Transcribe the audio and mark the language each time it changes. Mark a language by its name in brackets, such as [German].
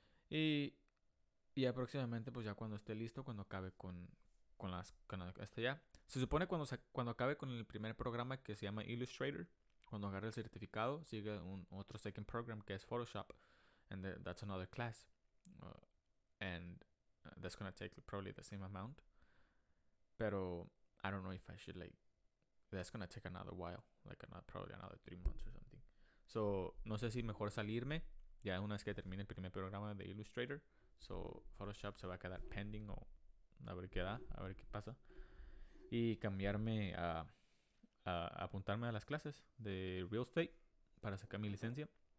[Spanish] Y aproximadamente, pues ya cuando esté listo, cuando acabe hasta ya. Se supone cuando acabe con el primer programa que se llama Illustrator. Cuando agarre el certificado, sigue otro [English] second program [Spanish] que es Photoshop. [English] And that's another class. And that's going to take probably the same amount. [Spanish] Pero [English] I don't know if I should like... That's going to take another while. Like probably another 3 months or something. [Spanish] So, no sé si mejor salirme ya una vez que termine el primer programa de Illustrator. So, Photoshop se va a quedar pending o a ver qué da, a ver qué pasa. Y cambiarme a apuntarme a las clases de real estate para sacar mi licencia.